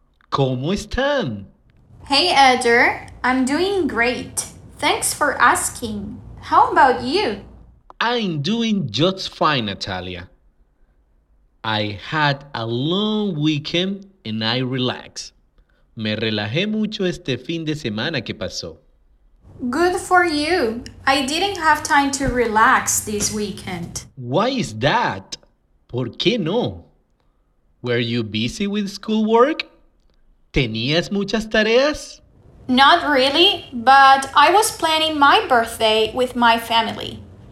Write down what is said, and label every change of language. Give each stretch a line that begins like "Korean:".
Spanish: ¿Cómo están?
English: Hey, Edgar. I'm doing great. Thanks for asking. How about you? I'm doing just fine, Natalia. I had a long weekend and I relaxed.
Spanish: Me relajé mucho este fin de semana que pasó.
English: Good for you. I didn't have time to relax this weekend. Why is that?
Spanish: ¿Por qué no?
English: Were you busy with schoolwork?
Spanish: ¿Tenías muchas tareas?
English: Not really, but I was planning my birthday with my family.